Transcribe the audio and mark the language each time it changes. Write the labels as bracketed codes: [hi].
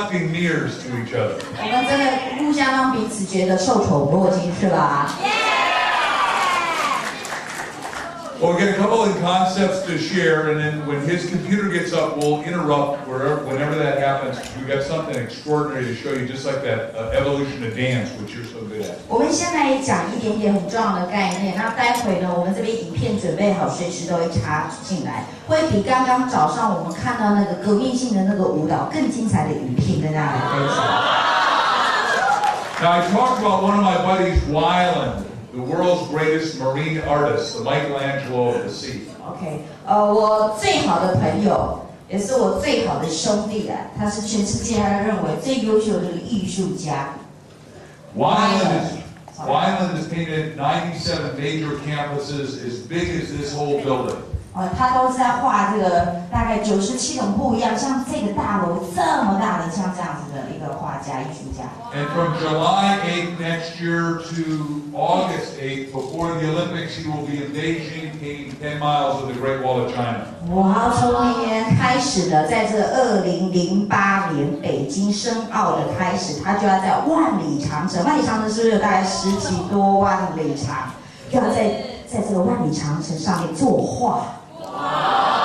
[zh] 我们真的互相让彼此觉得受宠若惊，是吧？ [en] Yeah! Well, we get a couple of concepts to share, and then when his computer gets up, we'll interrupt whenever that happens. We've got something extraordinary to show you, just like that evolution of dance, which you're so good at. [zh] 我们先来讲一点点很重要的概念，那待会呢，我们这边影片准备好，随时都会插进来，会比刚刚早上我们看到那个革命性的那个舞蹈更精彩的影片跟大家来分享。 [en] Now I talked about one of my buddies, Weiland, the world's greatest marine artist, the Michelangelo of the sea. [zh] Okay, 我最好的朋友，也是我最好的兄弟啊，他是全世界他认为最优秀的艺术家。 [en] Weiland has painted 97 major canvases as big as this whole building. [zh] 他都是在画这个大概97种不一样，像这个大楼这么大的，像这样子的一个画家艺术家。 [en] And from July 8th next year to August 8th, before the Olympics, he will be in Beijing, painting 10 miles of the Great Wall of China. [zh] 从明年开始的，在这2008年北京申奥的开始，他就要在万里长城，万里长城是不是有大概十几多万里长？要在这个万里长城上面作画。